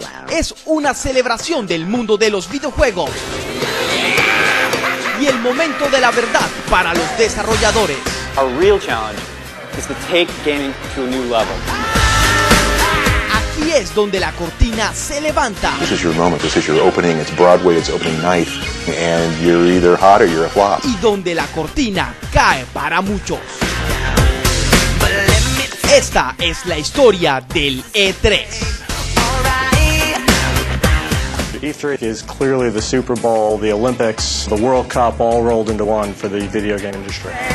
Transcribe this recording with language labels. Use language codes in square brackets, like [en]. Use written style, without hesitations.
[es] Es una celebración del mundo de los videojuegos y el momento de la verdad para los desarrolladores. [en] A real challenge is to take gaming to a new level. [es] Aquí es donde la cortina se levanta. [en] This is your moment. This is your opening. It's Broadway. It's opening night. And you're either hot or you're a flop. [es] Y donde la cortina cae para muchos. Esta es la historia del E3. [en] E3 is clearly the Super Bowl, the Olympics, the World Cup, all rolled into one for the video game industry.